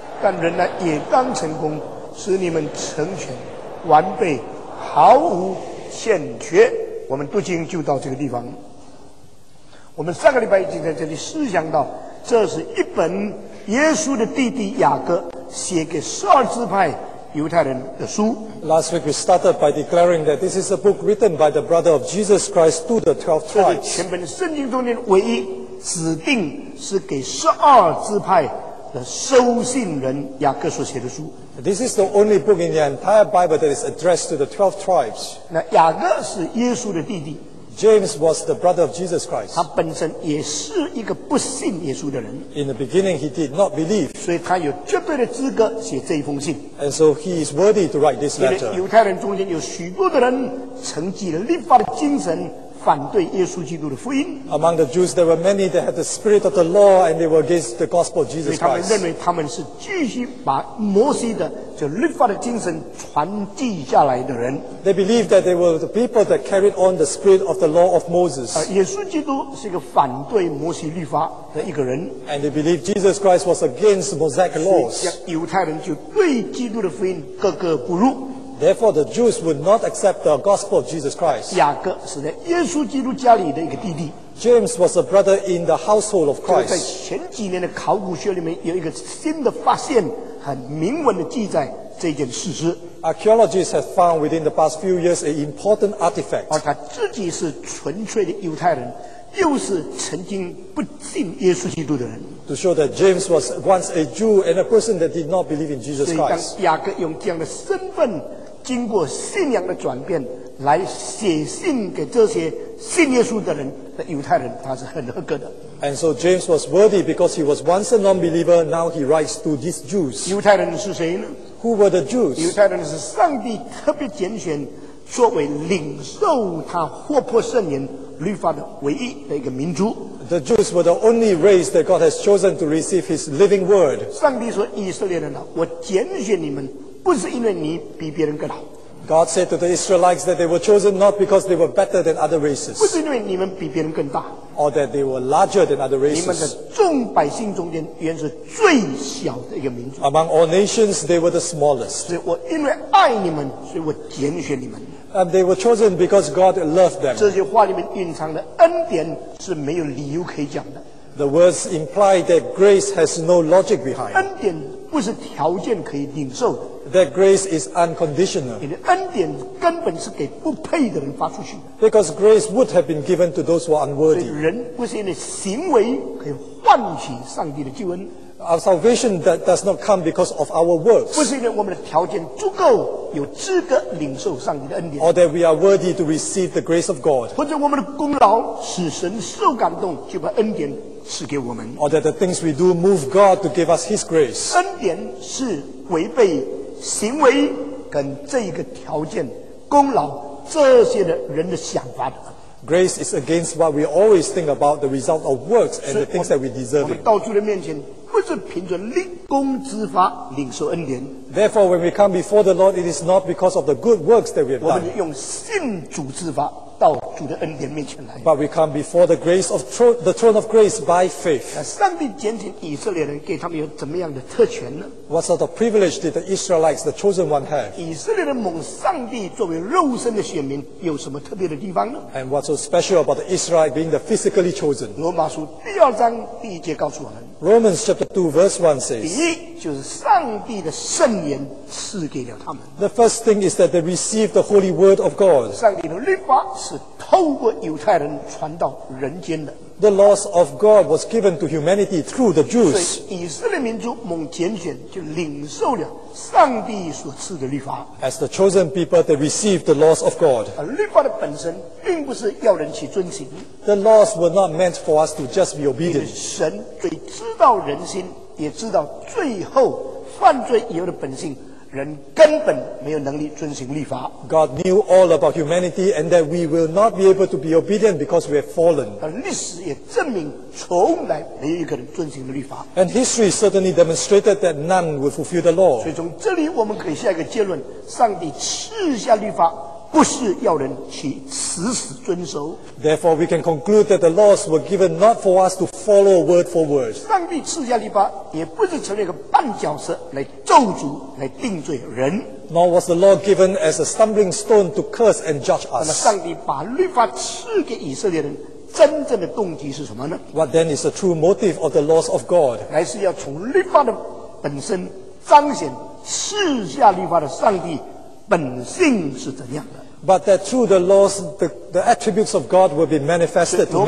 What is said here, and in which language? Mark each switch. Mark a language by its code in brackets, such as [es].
[zh] 但忍耐也当成功，使你们成全完备，毫无欠缺。我们读经就到这个地方。我们上个礼拜已经在这里思想到，这是一本耶稣的弟弟雅各写给十二支派犹太人的书。 [en] Last week we started by declaring that this is a book written by the brother of Jesus Christ to the 12 tribes. [zh] 这是全本圣经中的唯一指定是给十二支派的收信人雅各所写的书。 [en] This is the only book in the entire Bible that is addressed to the 12 tribes. [zh] 那雅各是耶稣的弟弟。 [en] James was the brother of Jesus Christ. [zh] 他本身也是一个不信耶稣的人。 [en] In the beginning he did not believe. [zh] 所以他有绝对的资格写这一封信。 [en] And so he is worthy to write this letter. [zh] 犹太人中间有许多的人承继了律法的精神，反对耶稣基督的福音。 [en] Among the Jews there were many that had the spirit of the law and they were against the gospel of Jesus Christ. [zh] 所以他们认为他们是继续把摩西的就律法的精神传递下来的人。 [en] They believed that they were the people that carried on the spirit of the law of Moses. [zh] 耶稣基督是一个反对摩西律法的一个人。 [en] And they believed Jesus Christ was against Mosaic laws. [zh] 犹太人就对基督的福音格格不入。 [en] Therefore, the Jews would not accept the gospel of Jesus Christ. [zh] 雅各是在耶稣基督家里的一个弟弟。 [en] James was a brother in the household of Christ. [zh] 在前几年的考古学里面有一个新的发现，很明文的记载这件事实。 [en] Archaeologists have found within the past few years an important artifact. [zh] 而他自己是纯粹的犹太人，又是曾经不信耶稣基督的人。 [en] To show that James was once a Jew and a person that did not believe in Jesus Christ. [zh] 所以当雅各用这样的身份经过信仰的转变来写信给这些信耶稣的人的犹太人，他是很合格的。 [en] And so James was worthy because he was once a non-believer, now he writes to these Jews. [zh] 犹太人是谁呢？ [en] Who were the Jews? [zh] 犹太人是上帝特别拣选作为领受他活泼圣言律法的唯一的一个民族。 [en] The Jews were the only race that God has chosen to receive his living word. [zh] 上帝说以色列人啊，我拣选你们不是因为你比别人更好。 [en] God said to the Israelites that they were chosen not because they were better than other races. [zh] 不是因为你们比别人更大。 [en] Or that they were larger than other races. [zh] 你们的众百姓中间原是最小的一个民族。 [en] Among all nations, they were the smallest. [zh] 所以我因为爱你们，所以我拣选你们。 [en] And they were chosen because God loved them. [zh] 这些话里面蕴藏的恩典是没有理由可以讲的。 [en] The words imply that grace has no logic behind. [zh] 恩典不是条件可以领受的。 [en] That grace is unconditional. [zh] 你的恩典根本是给不配的人发出去。 [en] Because grace would have been given to those who are unworthy. [zh] 所以人不是因为行为可以换取上帝的救恩。 [en] Our salvation does not come because of our works. [zh] 不是因为我们的条件足够有资格领受上帝的恩典。 [en] Or that we are worthy to receive the grace of God. [zh] 或者我们的功劳使神受感动就把恩典赐给我们。 [en] Or that the things we do move God to give us his grace. [zh] 恩典是违背行为跟这个条件功劳这些的人的想法的。 [en] Grace is against what we always think about, the result of works and the things that we deserve. [zh] 我们到主的面前不是凭着立功之法领受恩典。 [en] Therefore, when we come before the Lord, it is not because of the good works that we have done. [zh] 我们用信主之法到主的恩典面前来。 [en] But we come before the grace of the throne of grace by faith. [zh] 上帝拣选以色列人，给他们有怎么样的特权呢？ [en] What sort of privilege did the Israelites, the chosen one, have? [zh] 以色列人蒙上帝作为肉身的选民，有什么特别的地方呢？ [en] And what's so special about the Israelites being the physically chosen? [zh] 罗马书第二章第一节告诉我们。 [en] Romans chapter 2 verse 1 says, [zh] 第一就是上帝的圣言赐给了他们。 [en] The first thing is that they received the holy word of God. [zh] 上帝的律法是透过犹太人传到人间的。 [en] The laws of God was given to humanity through the Jews. [zh] 所以以色列民族蒙拣选就领受了上帝所赐的律法。 [en] As the chosen people, they received the laws of God. [zh] 律法的本身并不是要人去遵行。 [en] The laws were not meant for us to just be obedient. [zh] 因为神最知道人心，也知道最后犯罪以后的本性。人根本没有能力遵行律法。 [en] God knew all about humanity and that we will not be able to be obedient because we have fallen. [zh] 而历史也证明从来没有一个人遵行律法。 [en] And history certainly demonstrated that none will fulfill the law. [zh] 所以从这里我们可以下一个结论，上帝赐下律法不是要人去死死遵守。 [en] Therefore, we can conclude that the laws were given not for us to follow word for word. [zh] 上帝赐下律法，也不是成为一个绊脚石来咒诅、来定罪人。 [en] Nor was the law given as a stumbling stone to curse and judge us. [zh] 那么，上帝把律法赐给以色列人，真正的动机是什么呢？ [en] What then is the true motive of the laws of God? [zh] 乃是要从律法的本身彰显赐下律法的上帝。本性是怎样的？ [en] But that through the laws, the attributes of God will be manifested to man.